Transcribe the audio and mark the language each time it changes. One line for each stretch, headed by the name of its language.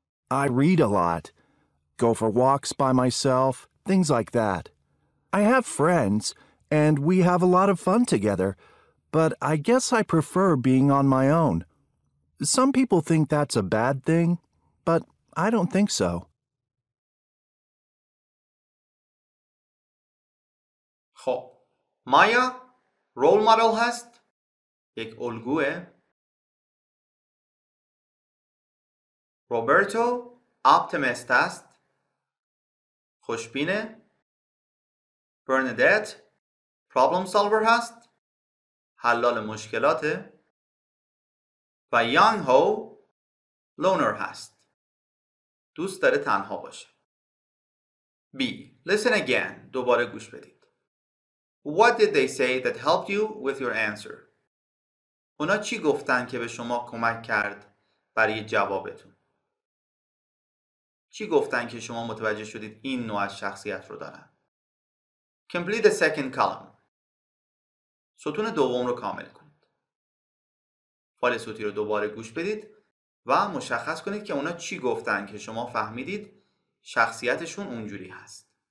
English: I read a lot, go for walks by myself, things like that. I have friends, and we have a lot of fun together, but I guess I prefer being on my own. Some people think that's a bad thing, but I don't think so.
Persian: خب، مایا رول مدل هست، یک الگوه. روبرتو اپتیمیست هست، خوشبینه. برندت پرابلم سالور هست، حلال مشکلاته. و یانگ هو لونر هست، دوست داره تنها باشه. بی،
English: listen again.
Persian: دوباره گوش بدید.
English: What did they say that helped you with your answer?
Persian: اونا چی گفتن که به شما کمک کرد برای جوابتون؟ چی گفتن که شما متوجه شدید این نوع شخصیت رو دارن؟
English: Complete the second column.
Persian: ستون دوم رو کامل کنید. فایل صوتی رو دوباره گوش بدید و مشخص کنید که اونا چی گفتن که شما فهمیدید شخصیتشون اونجوری هست.